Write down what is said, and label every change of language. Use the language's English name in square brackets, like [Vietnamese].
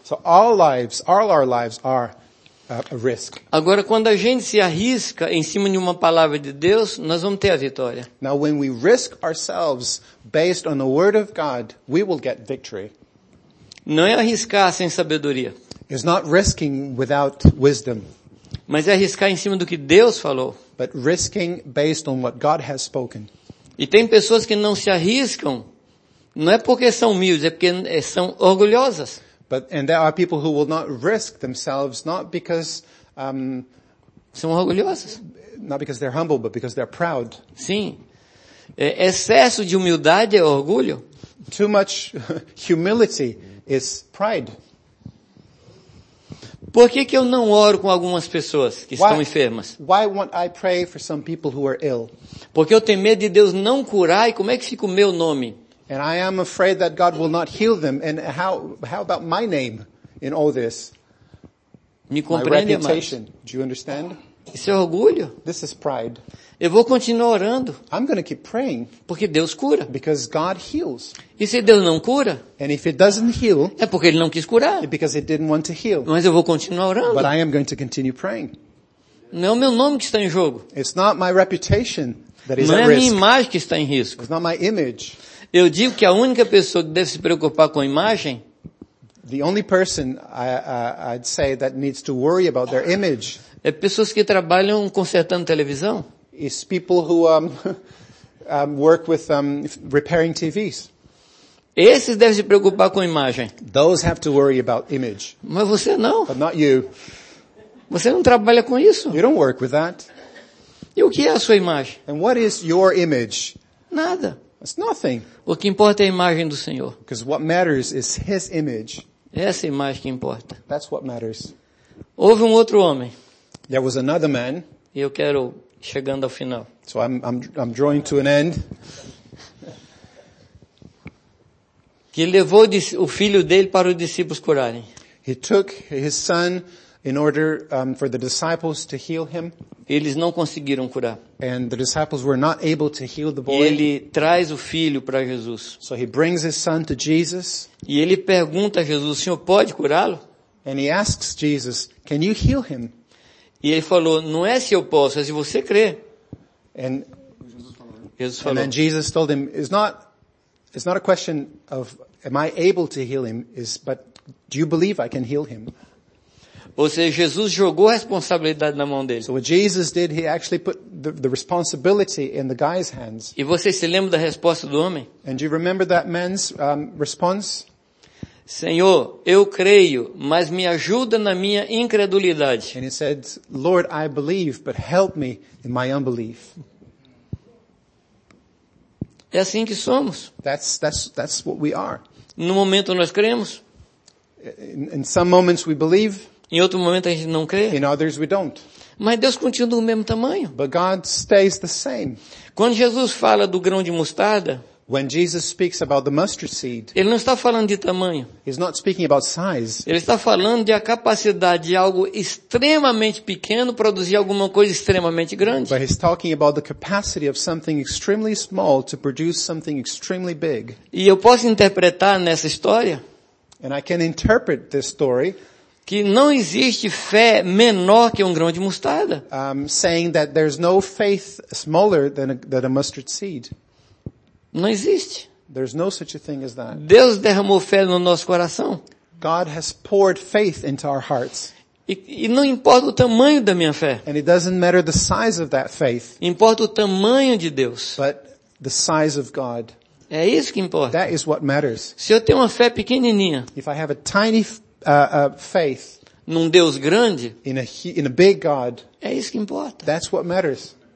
[English] So all our lives are a risk. [Portuguese] Agora, quando a gente se arrisca em cima de uma palavra de Deus, nós vamos ter a vitória. [English] Now, when we risk ourselves based on the word of God, we will get victory. [Portuguese] Não é arriscar sem sabedoria. [English] It's not risking without wisdom. [Portuguese] Mas é arriscar em cima do que Deus falou. [English] But risking based on what God has spoken. [Portuguese] E tem pessoas que não se arriscam, não é porque são humildes, é porque são orgulhosas. [English] And there are people who will not risk themselves, not because [Portuguese] são orgulhosas. [English] Not because they're humble, but because they're proud. [Portuguese] Sim. Excesso de humildade é orgulho. [English] Too much humility is pride. [Portuguese] Por que eu não oro com algumas pessoas que estão enfermas? [English] Why won't I pray for some people who are ill? [Portuguese] Porque eu tenho medo de Deus não curar e como é que fica o meu nome? [English] And I am afraid that God will not heal them. And how about my name in all this? [Portuguese] Me compreende, [English] my reputation. Do you understand? [Portuguese] Isso é orgulho. [English] This is pride. [Portuguese] Eu vou continuar orando. [English] I'm going to keep praying. [Portuguese] Porque Deus cura. [English] Because God heals. [Portuguese] E se Deus não cura? [English] And if it doesn't heal, [Portuguese] é porque ele não quis curar. [English] Because he didn't want to heal. [Portuguese] Mas eu vou continuar orando. [English] But I am going to continue praying. [Portuguese] Não é o meu nome que está em jogo. [English] It's not my reputation that is at [Portuguese] Não é a minha imagem que está em risco. [English] It's not my image. [Portuguese] Eu digo que a única pessoa que deve se preocupar com a imagem, [English] the only person I'd say that needs to worry about their image, [Portuguese] é pessoas que trabalham consertando televisão. [English] Is people who work with repairing TVs. [Portuguese] Esses devem se preocupar com a imagem. [English] Those have to worry about image. [Portuguese] Mas você não. [English] But not you. [Portuguese] Você não trabalha com isso. [English] You don't work with that. [Portuguese] E o que é a sua imagem? [English] And what is your image? [Portuguese] Nada. [English] It's nothing. [Portuguese] O que importa é a imagem do Senhor. [English] Because what matters is his image. [Portuguese] Essa imagem que importa. [English] That's what matters. [Portuguese] Houve um outro homem. [English] There was another man. [Portuguese] E eu quero chegando ao final. [English] So I'm drawing to an end. [Portuguese] Que levou o filho dele para os discípulos curarem. [English] He took his son in order for the disciples to heal him. [Portuguese] Eles não conseguiram curar. [English] And the disciples were not able to heal the boy. [Portuguese] Ele traz o filho para Jesus. [English] So he brings his son to Jesus. [Portuguese] E ele pergunta a Jesus, o Senhor pode curá-lo? [English] And he asks Jesus, can you heal him? [Portuguese] E ele falou, não é se eu posso, é se você crê. [English] And [Portuguese] Jesus falou. [English] And then Jesus told him, it's not a question of am I able to heal him, but do you believe I can heal him? [Portuguese] Ou seja, Jesus jogou a responsabilidade na mão dele. [English] So what Jesus did, he actually put the responsibility in the guy's hands. [Portuguese] E você se lembra da resposta do homem? [English] And you remember that man's response? [Portuguese] Senhor, eu creio, mas me ajuda na minha incredulidade. [English] And he said, Lord, I believe, but help me in my unbelief. [Portuguese] É assim que somos. [English] That's what we are. [Portuguese] No momento nós cremos. [English] In some moments we believe. [Portuguese] Em outro momento a gente não crê. [English] In others we don't. [Portuguese] Mas Deus continua do mesmo tamanho. [English] But God stays the same. [Portuguese] Quando Jesus fala do grão de mostarda, [English] when Jesus speaks about the mustard seed, [Portuguese] ele não está falando de tamanho. [English] He's not speaking about size. [Portuguese] Ele está falando de a capacidade de algo extremamente pequeno produzir alguma coisa extremamente grande. [English] But he's talking about the capacity of something extremely small to produce something extremely big. [Portuguese] E eu posso interpretar nessa história? [English] And I can interpret this story. [Portuguese] que não existe fé menor que um grão de mostarda. [English] Saying that there's no faith smaller than a mustard seed. [Portuguese] Não existe. [English] There's no such a thing as that. [Portuguese] Deus derramou fé no nosso coração. [English] God has poured faith into our hearts. [Portuguese] E não importa o tamanho da minha fé. [English] And it doesn't matter the size of that faith. [Portuguese] Importa o tamanho de Deus. [English] But the size of God. [Portuguese] É isso que importa. [English] That is what matters. [Portuguese] Se eu tenho uma fé pequenininha, [English] if I have a tiny faith, [Portuguese] num Deus grande, [English] in a big God, [Portuguese] é isso que importa. [English] That's what matters.